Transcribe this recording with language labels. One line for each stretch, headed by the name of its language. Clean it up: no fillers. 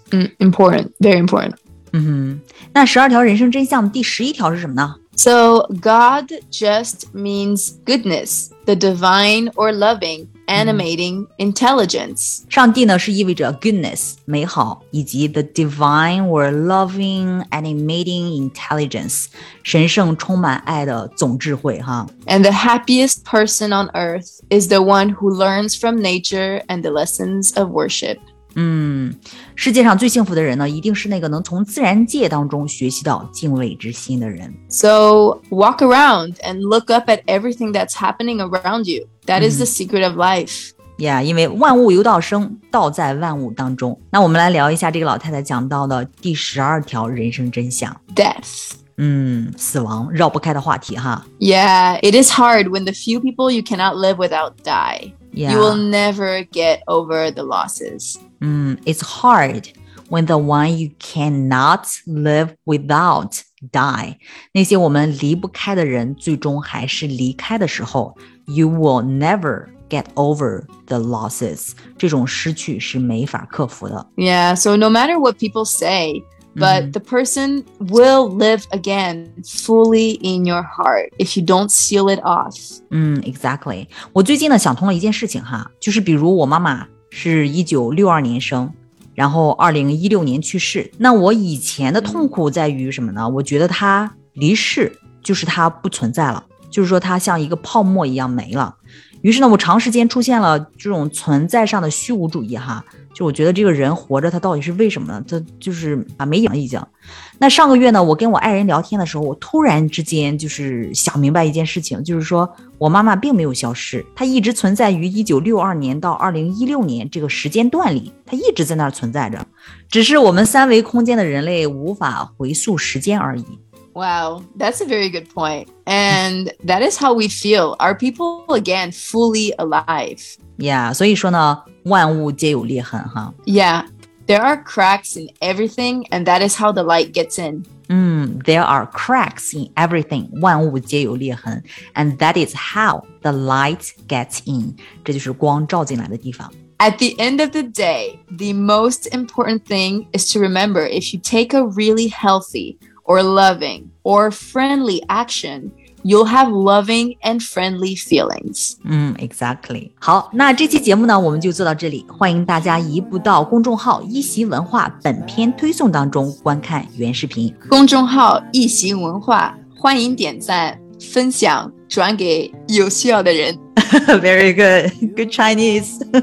English: Important, very important.
Chinese: 那十二条人生真相第十一条是什么呢？
English: So God just means goodness, the divine or loving,animating intelligence.
Chinese: 上帝呢是意味着 goodness, 美好以及
English: the divine or loving animating intelligence,
Chinese: 神圣充满爱的总智慧哈。
English: And the happiest person on earth is the one who learns from nature and the lessons of worship.
Chinese: 世界上最幸福的人呢一定是那个能从自然界当中学习到敬畏之心的人。
English: So walk around and look up at everything that's happening around you. That is the secret of life.
Chinese: Yeah, 因为万物由道生，道在万物当中。那我们来聊一下这个老太太讲到的第十二条人生真相。
English: Death.
Chinese: 死亡，绕不开的话题哈。
English: Yeah, it is hard when the few people you cannot live without die. Yeah. You will never get over the losses. It's hard when the one you cannot live without die.
Chinese: 那些我们离不开的人，最终还是离开的时候。
English: You will never get over the losses.
Chinese: 这种失去是没法克服的。
English: Yeah, so no matter what people say, but the person will live again fully in your heart if you don't seal it off. Exactly.
Chinese: 我最近呢想通了一件事情哈，就是比如我妈妈是1962年生，然后2016年去世。那我以前的痛苦在于什么呢？我觉得她离世，就是它不存在了，就是说它像一个泡沫一样没了。于是呢，我长时间出现了这种存在上的虚无主义哈，就我觉得这个人活着他到底是为什么呢，他就是啊没影已经。那上个月呢，我跟我爱人聊天的时候，我突然之间就是想明白一件事情，就是说我妈妈并没有消失，她一直存在于1962年到2016年这个时间段里，她一直在那儿存在着，只是我们三维空间的人类无法回溯时间而已。
English: Wow, that's a very good point. And that is how we feel. Are people, again, fully alive?
Chinese: Yeah, 所以说呢，万物皆有裂痕哈。
English: Yeah, there are cracks in everything, and that is how the light gets in. There are cracks in everything,
Chinese: 万物皆有裂痕
English: and that is how the light gets in.
Chinese: 这就是光照进来的地方。
English: At the end of the day, the most important thing is to remember if you take a really healthy,or loving, or friendly action, you'll have loving and friendly feelings. Exactly.
Chinese: 好，那这期节目呢，我们就做到这里。欢迎大家移步到公众号一席文化本篇推送当中观看原视频。公众号一席文化，欢迎点赞、分享、转给有需要的人。
English: Very good, good Chinese.